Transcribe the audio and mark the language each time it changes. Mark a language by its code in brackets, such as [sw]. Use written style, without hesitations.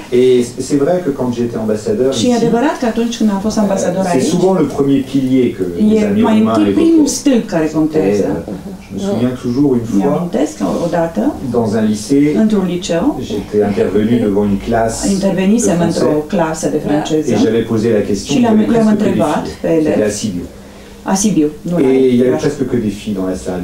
[fr] Et c'est vrai que quand j'étais ambassadeur ici. [ro] Și e adevărat că atunci când am fost ambasador aici. [fr] C'est souvent le premier pilier que les amis romains [ro] avaient. E mai întâi primul stâlp care contează. [fr] Je me souviens toujours une fois. [ro] Mi-amintesc odată. [fr] Dans un lycée. [ro] Într-un liceu. [fr] J'étais intervenu devant une classe. [ro] Intervenisem într-o clasă de franceză. [fr] Et j'avais posé la question. [ro] Și l-am întrebat pe ele. [fr] C'était à Sibiu. À Sibiu, et il y avait presque que des filles dans la salle.